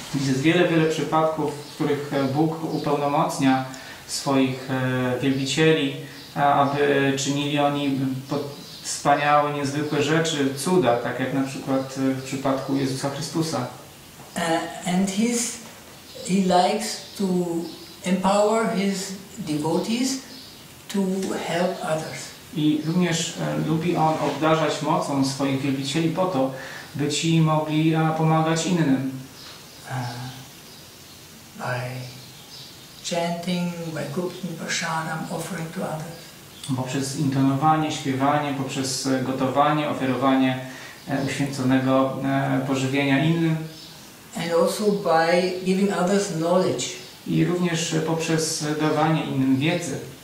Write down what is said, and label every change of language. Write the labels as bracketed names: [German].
[Polish] Jest wiele, wiele przypadków, w których Bóg upełnomocnia swoich wielbicieli, aby czynili oni wspaniałe, niezwykłe rzeczy, cuda, tak jak na przykład w przypadku Jezusa Chrystusa. [English] And he likes to empower his devotees to help others. [Polish] I również lubi on obdarzać mocą swoich wielbicieli po to, by ci mogli pomagać innym. [English] By chanting, by cooking prasadam, offering to others. [Polish] Poprzez intonowanie, śpiewanie, poprzez gotowanie, oferowanie uświęconego pożywienia innym. [English] And also by giving others knowledge. [Polish] I również poprzez dawanie innym wiedzy.